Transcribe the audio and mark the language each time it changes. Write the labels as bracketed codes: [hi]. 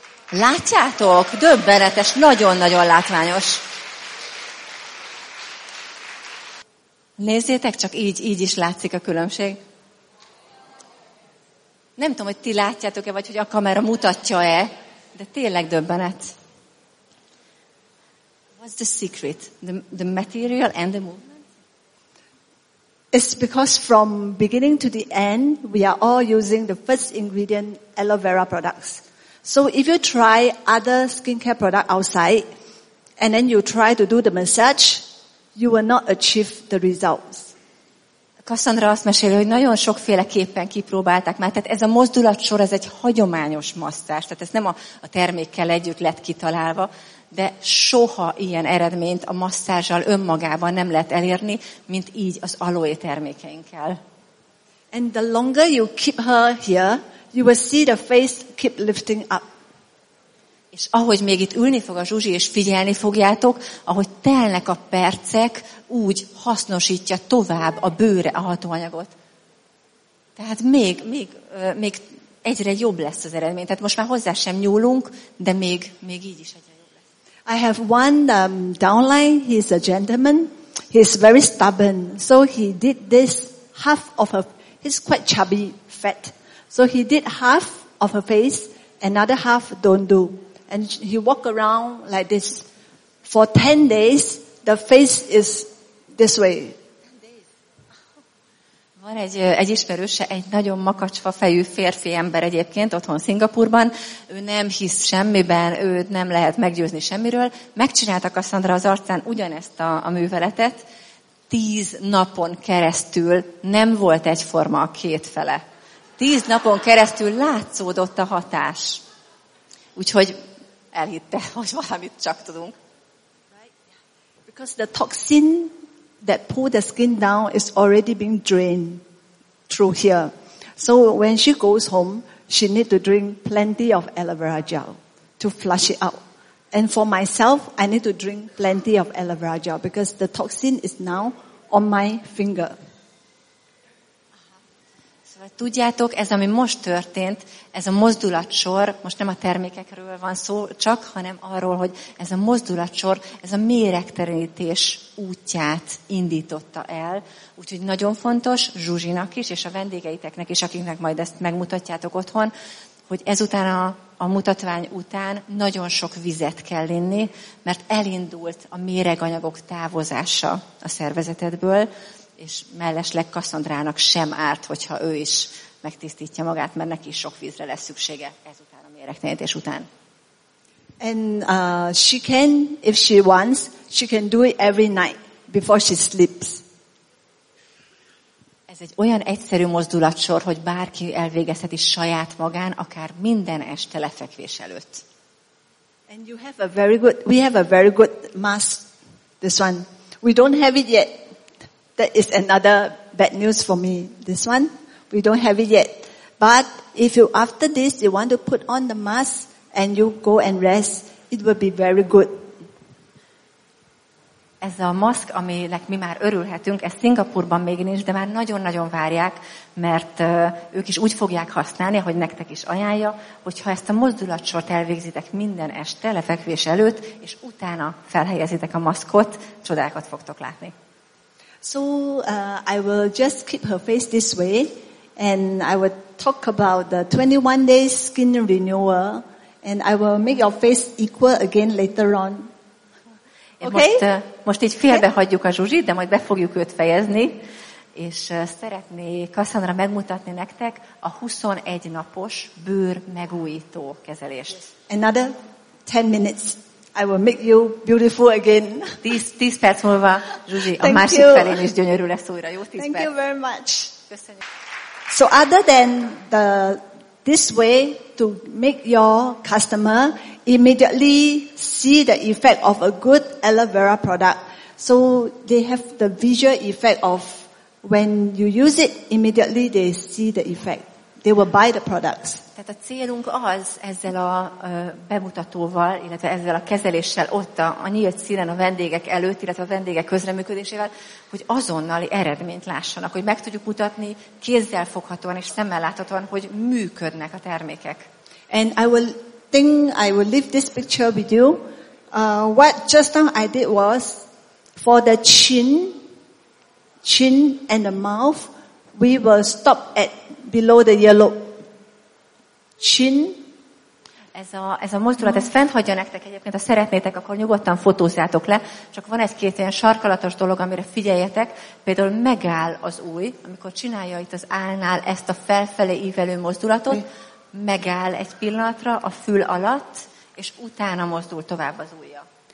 [hu] Látjátok? Döbbenetes, nagyon-nagyon látványos. Nézzétek, csak így is látszik a különbség. Nem tudom, hogy ti látjátok-e, vagy hogy a kamera mutatja-e, de tényleg döbbenet. [en] What's the secret? The material and the movement? It's because from beginning to the end, we are all using the first ingredient, aloe vera products. So if you try other skincare product outside, and then you try to do the massage, you will not achieve the results. [hu] Cassandra azt meséli, hogy nagyon sokféleképpen kipróbálták már. Tehát ez a mozdulatsor, ez egy hagyományos masszázs. Tehát ez nem a termékkel együtt lett kitalálva. De soha ilyen eredményt a masszázzsal önmagában nem lehet elérni, mint így az aloe termékeinkkel. [en] And the longer you keep her here, you will see the face keep lifting up. [hu] És ahogy még itt ülni fog a Zsuzsi, és figyelni fogjátok, ahogy telnek a percek, úgy hasznosítja tovább a bőre a hatóanyagot. Tehát még egyre jobb lesz az eredmény. Tehát most már hozzá sem nyúlunk, de még így is egy. [en] I have one downline, he's a gentleman, he's very stubborn, so he did this half of her, he's quite chubby, fat, so he did half of her face, another half don't do, and he walk around like this, for 10 days, the face is this way. [hu] Van egy ismerőse, egy nagyon makacsfa fejű férfi ember egyébként otthon Szingapurban. Ő nem hisz semmiben, őt nem lehet meggyőzni semmiről. Megcsinálta Cassandra az arcán ugyanezt a műveletet. 10 napon keresztül nem volt egyforma a két fele. 10 napon keresztül látszódott a hatás. Úgyhogy elhitte, hogy valamit csak tudunk. [en] Because the toxin that pull the skin down is already being drained through here. So when she goes home, she need to drink plenty of aloe vera gel to flush it out. And for myself, I need to drink plenty of aloe vera gel because the toxin is now on my finger. [hu] Szóval tudjátok, ez ami most történt, ez a mozdulatsor, most nem a termékekről van szó csak, hanem arról, hogy ez a mozdulatsor, ez a méregterítés útját indította el. Úgyhogy nagyon fontos Zsuzsinak is, és a vendégeiteknek is, akiknek majd ezt megmutatjátok otthon, hogy ezután a mutatvány után nagyon sok vizet kell inni, mert elindult a méreganyagok távozása a szervezetedből, és mellesleg Cassandrának sem árt, hogyha ő is megtisztítja magát, mert neki is sok vízre lesz szüksége ezután a méregtenyítés után. [en] And she can, if she wants, she can do it every night before she sleeps. [hu] Ez egy olyan egyszerű mozdulatsor, hogy bárki elvégezheti saját magán, akár minden este lefekvés előtt. [en] And you have a very good, we have a very good mask, this one. We don't have it yet. That is another bad news for me. This one, we don't have it yet. But if you, after this, you want to put on the mask and you go and rest, It would be very good. [hu] Ez a maszk, aminek mi már örülhetünk, ez Szingapurban még nincs, de már nagyon-nagyon várják, mert ők is úgy fogják használni, ahogy nektek is ajánlja, hogyha ezt a mozdulatsort elvégzitek minden este, lefekvés előtt, és utána felhelyezitek a maszkot, csodákat fogtok látni. [en] So I will just keep her face this way, and I will talk about the 21 days skin renewal, and I will make your face equal again later on. Okay. [hu] Most így félbe hagyjuk a Zsuzsit, de majd be fogjuk őt fejezni, és szeretnék Cassandra megmutatni nektek a 21 napos bőr megújító kezelést. [en] Another 10 minutes. I will make you beautiful again. [hu] 10 perc múlva, Zsuzsi, a másik felén is gyönyörű lesz újra. Jó 10 perc. [en] Thank you very much. [hu] Köszönjük. [en] So other than this way to make your customer immediately see the effect of a good aloe vera product, so they have the visual effect of when you use it, immediately they see the effect. They will buy the products. [hu] Tehát a célunk az ezzel a bemutatóval, illetve ezzel a kezeléssel ott a nyílt színen a vendégek előtt, illetve a vendégek közreműködésével, hogy azonnali eredményt lássanak, hogy meg tudjuk mutatni kézzel foghatóan és szemmel láthatóan, hogy működnek a termékek. [en] And I will think I will leave this picture with you. What just now I did was for the chin and the mouth, we will stop at below the yellow. Chin. [hu] Ez a mozdulat, ez fent hagyja nektek egyébként, ha szeretnétek, akkor nyugodtan fotózzátok le. Csak van egy-két ilyen sarkalatos dolog, amire figyeljetek. Például megáll az új, amikor csinálja itt az állnál ezt a felfelé ívelő mozdulatot, megáll egy pillanatra a fül alatt, és utána mozdul tovább az ujja.